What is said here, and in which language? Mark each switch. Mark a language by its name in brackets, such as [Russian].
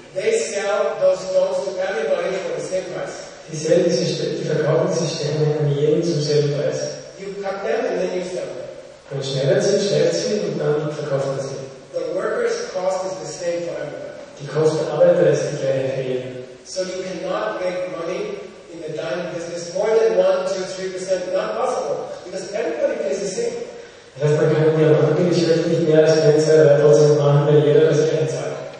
[English] They sell those stones to everybody for the same price. [German] Die verkaufen diese Steine an jeden zum selben Preis. [English] You cut them and then you sell them. [German] Dann schneidet sie und dann verkauft man sie. [English] The worker's cost is the same for everybody. [German] Die Kosten der Arbeiter ist die gleiche für jeden. [English] So you cannot make money in the diamond business more than 1, 2, 3%. Not possible. Because everybody pays the same. [German] Das heißt, man kann in der Bankengeschäft nicht mehr als 1, 2, 3% machen, weil jeder das gleiche zahlt.